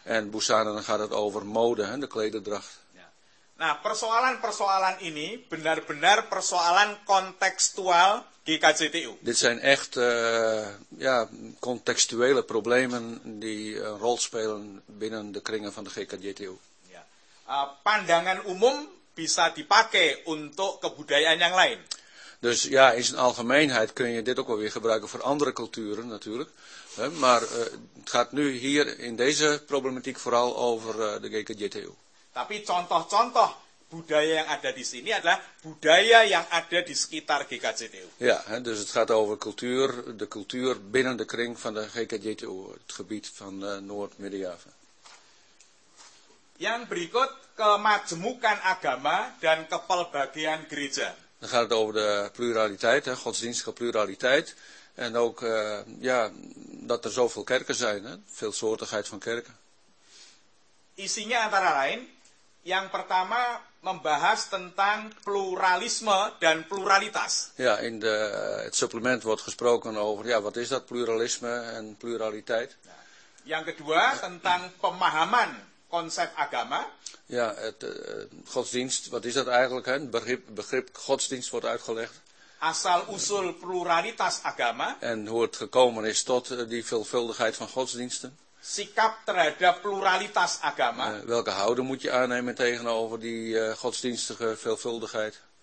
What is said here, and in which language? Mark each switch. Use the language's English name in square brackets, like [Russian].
[Dutch] En busana, dan gaat het over mode, hè, de klederdracht. Ja. [Indonesian] Nah, persoalan-persoalan ini benar-benar persoalan kontekstual. [Dutch] Dit zijn echt ja, contextuele problemen die een rol spelen binnen de kringen van de GKJTU. Ja. [Indonesian] Pandangan umum bisa dipakai untuk kebudayaan yang lain. [Dutch] Dus ja, in zijn algemeenheid kun je dit ook wel weer gebruiken voor andere culturen natuurlijk. Maar het gaat nu hier in deze problematiek vooral over de GKJTU. [Indonesian] Tapi contoh-contoh budaya yang ada di sini adalah budaya yang ada di sekitar GKJTU. [Dutch] Ya, dus het gaat over cultuur, de cultuur binnen de kring van de GKJTU, het gebied van Noord-Midden-Java. [Indonesian] Yang berikut kemajemukan agama dan kepelbagian gereja. [Dutch] Dan gaat het over de pluraliteit, hè, godsdienstige pluraliteit, en ook ja, dat er zoveel kerken zijn, hè, veelsoortigheid van kerken. [Indonesian] Isinya antara lain. Yang pertama membahas tentang pluralisme dan pluralitas. [Dutch] Ja, in de, het supplement wordt gesproken over ja, wat is dat pluralisme en pluraliteit. Ja. [Indonesian] Yang kedua tentang pemahaman konsep agama. [Dutch] Ja, het godsdienst, wat is dat eigenlijk, hè? Begrip godsdienst wordt uitgelegd. [Indonesian] Asal usul pluralitas agama. [Dutch] En hoe het gekomen is tot die veelvuldigheid van godsdiensten. [Indonesian] Sikap terhadap pluralitas agama. [Dutch] Welke houding moet je aannemen tegenover die godsdienstige veelvuldigheid?